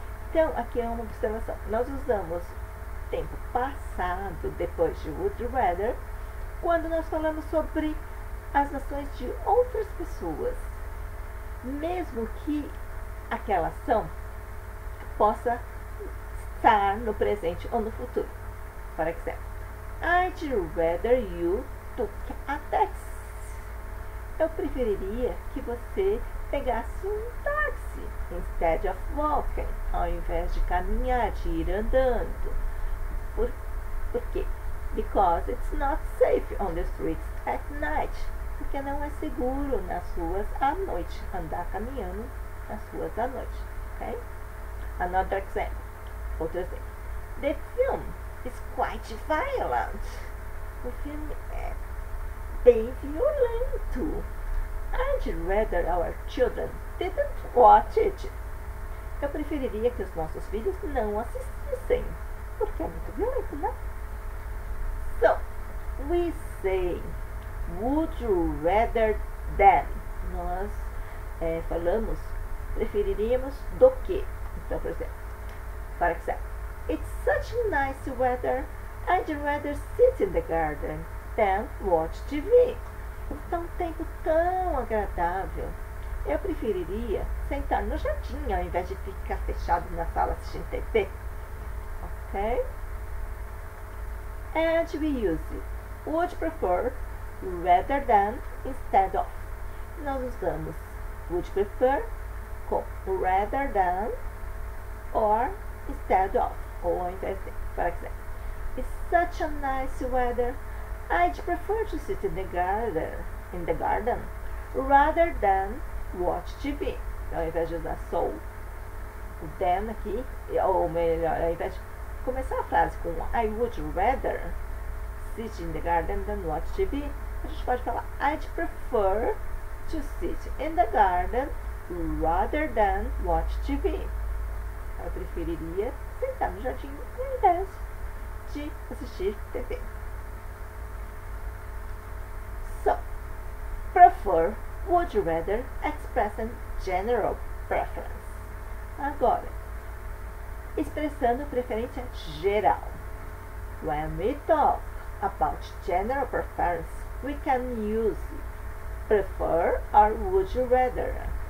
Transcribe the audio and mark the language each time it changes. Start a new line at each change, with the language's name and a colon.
Portuguese: Então, aqui é uma observação. Nós usamos tempo passado depois de would rather quando nós falamos sobre as ações de outras pessoas, mesmo que aquela ação possa estar no presente ou no futuro.
English: For example, I'd rather you took a taxi.
Portuguese: Eu preferiria que você pegasse um táxi
English: instead of walking,
Portuguese: ao invés de caminhar, de ir andando. Por quê?
English: Because it's not safe on the streets at night.
Portuguese: Porque não é seguro nas ruas à noite, andar caminhando nas ruas à noite.
English: Okay? Another example.
Portuguese: Outro exemplo.
English: The film is quite violent.
Portuguese: O filme é bem violento.
English: I'd rather our children didn't watch it.
Portuguese: Eu preferiria que os nossos filhos não assistissem, porque é muito violento, né?
English: So, we say, would you rather than?
Portuguese: Nós falamos, preferiríamos do que? Então, por exemplo,
English: for example, it's such nice weather, I'd rather sit in the garden than watch TV.
Portuguese: Está um tempo tão agradável. Eu preferiria sentar no jardim ao invés de ficar fechado na sala assistindo TV. Ok?
English: And we use would prefer rather than instead of.
Portuguese: Nós usamos would prefer com rather than or instead of. Ou ao invés de.
English: For example, it's such a nice weather. I'd prefer to sit in the garden, rather than watch TV.
Portuguese: Então, ao invés de usar so, o then aqui, ou melhor, ao invés de começar a frase com
English: I would rather sit in the garden than watch TV,
Portuguese: a gente pode falar
English: I'd prefer to sit in the garden rather than watch TV.
Portuguese: Eu preferiria sentar no jardim ao invés de assistir TV.
English: Prefer, would you rather, express a general preference.
Portuguese: Agora, expressando preferência geral.
English: When we talk about general preference, we can use prefer or would you rather.